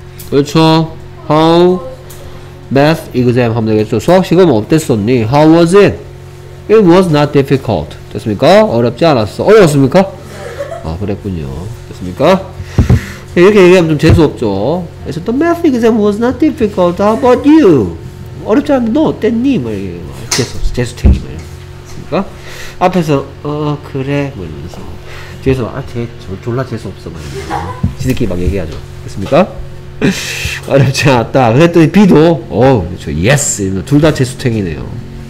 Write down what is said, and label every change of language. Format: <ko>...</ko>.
<ko>그렇죠.</ko> <en>How math exam</en> <ko>하면 되겠죠. 수학시험 어땠었니?</ko> <en>How was it? It was not difficult.</en> <ko>됐습니까? 어렵지 않았어. 어려웠습니까? 아 그랬군요. 됐습니까? 이렇게 얘기하면 좀 재수없죠.</ko> <en>I said, the math exam was not difficult. How about you?</en> <ko>어렵지 않은데 너 어땠니? 뭐 이렇게 재수없어. 재수탱이면 됐습니까? 앞에서 그래 뭐 이러면서 뒤에서 졸라 재수없어 뭐 이러면서 지들끼리 막 얘기하죠. 됐습니까? 어렵지 않았다. 그랬더니 B도 그렇죠. Yes 이러면서 둘 다 재수탱이네요.</ko>